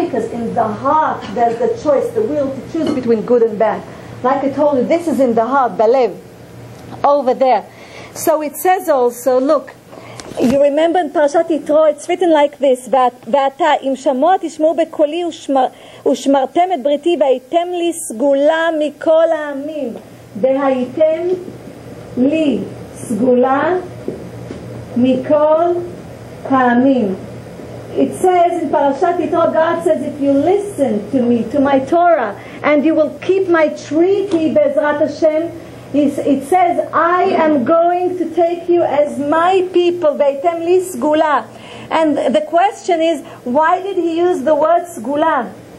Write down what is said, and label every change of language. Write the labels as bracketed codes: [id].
[en] Because in the heart there's the choice, the will to choose between good and bad. Like I told you, this is in the heart, Balev, over there. So it says also, look, You remember in Parashat Yitro, it's written like this, [he] ואתה, אם שמוע תשמעו בקולי ושמרתם את בריתי, והייתם לי סגולה מכל העמים. והייתם לי סגולה מכל העמים. [en] It says in Parashat Yitro, God says, if you listen to me, to my Torah, and you will keep my treaty, Be'ezrat Hashem, it says, I am going to take you as my people, [he] Be'etem li Sgula. [en] And the question is, why did he use the word Sgula?